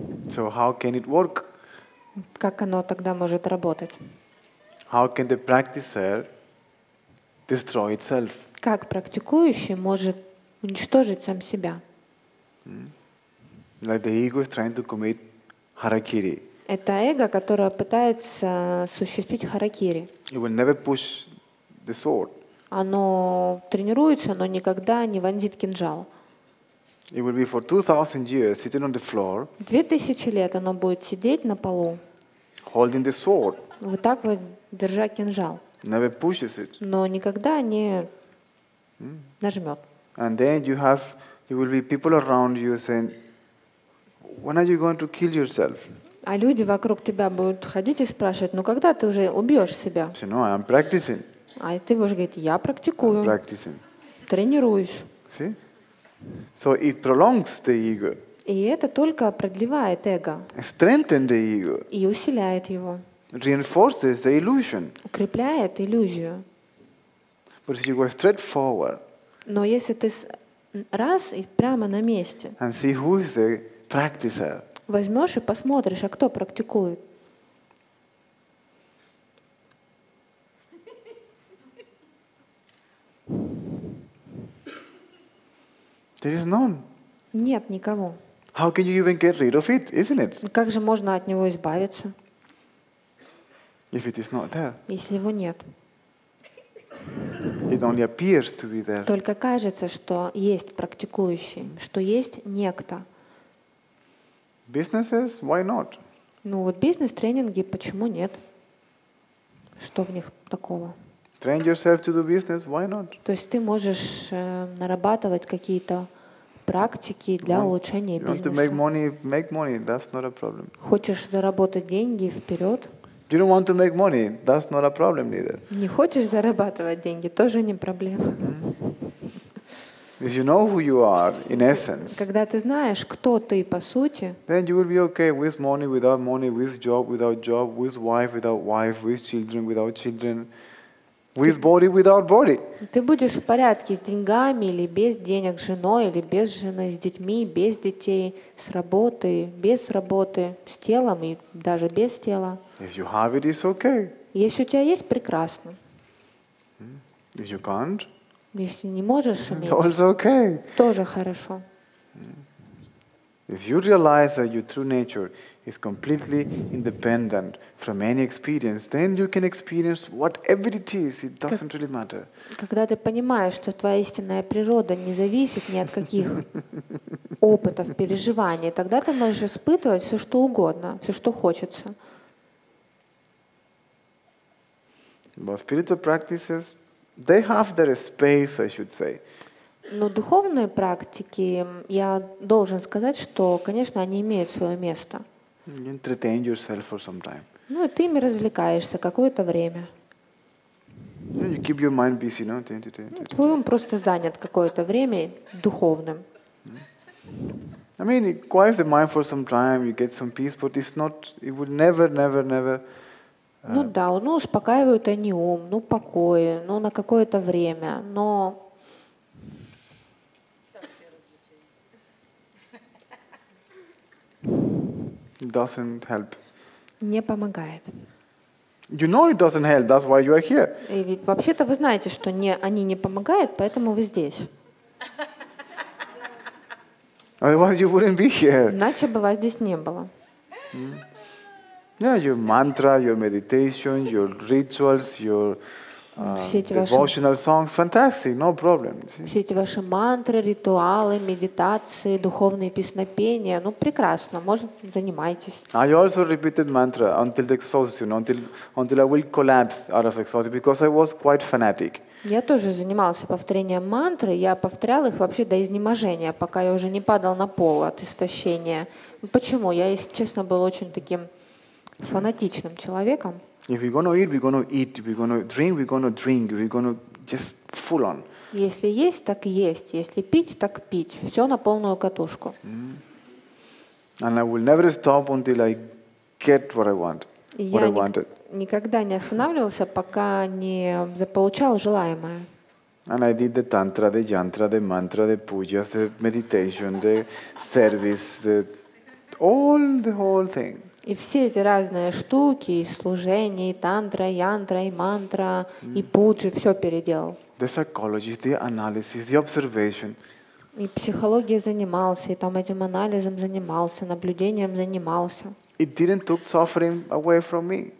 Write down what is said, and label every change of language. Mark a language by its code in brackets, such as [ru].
[en] So how can it work? [ru] Как оно тогда может работать? [en] How can the practicer destroy itself? [ru] Как практикующий может уничтожить сам себя? [en] Like the ego is trying to commit harakiri. [ru] Это эго, которое пытается осуществить харакири. [en] It will never push the sword. [ru] Оно тренируется, но никогда не вонзит кинжал. [en] It will be for 2000 years sitting on the floor. [ru] 2000 лет оно будет сидеть на полу. [en] Holding the sword. [ru] Вот так вот, держа кинжал. [en] Never pushes it. [ru] Но никогда не нажмет. [en] And then you will be people around you saying, when are you going to kill yourself? [ru] А люди вокруг тебя будут ходить и спрашивать, ну когда ты уже убьешь себя? [en] Say, no, I'm practicing. [ru] А ты будешь говорить, я практикую. [en] I'm practicing. [ru] Тренируюсь. [en] See? So it prolongs the ego. [ru] И это только продлевает эго. [en] Strengthens the ego. [ru] И усиливает его. [en] Reinforces the illusion. [ru] Укрепляет иллюзию. [en] But if you go straight forward. [ru] Но если ты раз и прямо на месте. [en] And see who is the practicer. [ru] Возьмешь и посмотришь, а кто практикует. [en] There is none. [ru] Нет никого. [en] How can you even get rid of it, isn't it? [ru] Как же можно от него избавиться? [en] If it is not there. [ru] Если его нет. [en] It only appears to be there. [ru] Только кажется, что есть практикующий, что есть некто. [en] Businesses, why not? [ru] Ну вот бизнес-тренинги, почему нет? Что в них такого? [en] Train yourself to do business, why not? [ru] То есть ты можешь нарабатывать какие-то практики для улучшения бизнеса. [en] You want to make money, make money. That's not a problem. [ru] Хочешь заработать деньги вперед? [en] You don't want to make money. That's not a problem either. [ru] Не хочешь зарабатывать деньги, тоже не проблема. [en] If you know who you are in essence. [ru] Когда ты знаешь, кто ты по сути. [en] Then you will be okay with money, without money, with job, without job, with wife, without wife, with children, without children. With body, without body. [ru] Ты будешь в порядке с деньгами или без денег, с женой или без жены, с детьми, без детей, с работы, без работы, с телом и даже без тела. [en] If you have it, it's okay. [ru] Если у тебя есть, прекрасно. [en] If you can't, [ru] если не можешь иметь, [en] also okay. [ru] Тоже хорошо. [en] If you realize that your true nature is completely independent from any experience, then you can experience whatever it is. It doesn't really matter. [ru] Когда ты понимаешь, что твоя истинная природа не зависит ни от каких опытов, переживаний, тогда ты можешь испытывать все, что угодно, все, что хочется. [en] But spiritual practices, they have their space, I should say. [ru] Но духовные практики, я должен сказать, что, конечно, они имеют свое место. [en] Entertain yourself for some time. [ru] Ну, и ты ими развлекаешься какое-то время. [en] You keep your mind busy, no? [ru] Твой ум просто занят какое-то время духовным. [en] I mean, it quiets the mind for some time, you get some peace, but it's not, it would never, never, never. [ru] Ну да, ну успокаивают они ум, ну покой, ну на какое-то время, но. [en] Doesn't help. [ru] Не помогает. [en] You know it doesn't help. That's why you are here. [ru] И вообще-то вы знаете, что не они не помогают, поэтому вы здесь. [en] Otherwise you wouldn't be here. [ru] Иначе бы вас здесь не было. [en] Yeah, your mantra, your meditation, your rituals, your devotional songs, fantastic, no problem. [ru] Все эти ваши мантры, ритуалы, медитации, духовные песнопения, ну прекрасно, может, занимайтесь. [en] I also repeated mantra until the exhaustion, until I will collapse out of exhaustion, because I was quite fanatic. [ru] Я тоже занимался повторением мантры, я повторял их вообще до изнеможения, пока я уже не падал на пол от истощения. Ну, почему? Я, если честно, был очень таким фанатичным человеком. [en] If we're gonna eat, we're gonna eat. If we're gonna drink, we're gonna drink. We're gonna just full on. [ru] Если есть, так есть. Если пить, так пить. Все на полную катушку. [en] And I will never stop until I get what I want. What I wanted. [ru] Никогда не останавливался, пока не заполучал желаемое. [en] And I did the tantra, the yantra, the mantra, the pujas, the meditation, the service, the whole thing. [ru] И все эти разные штуки, и служение, и тантра, и янтра, и мантра, и пуджи, все переделал. [en] The psychology, the analysis, the observation. [ru] И психологией занимался, и там этим анализом занимался, наблюдением занимался. [en] It didn't took suffering away from me.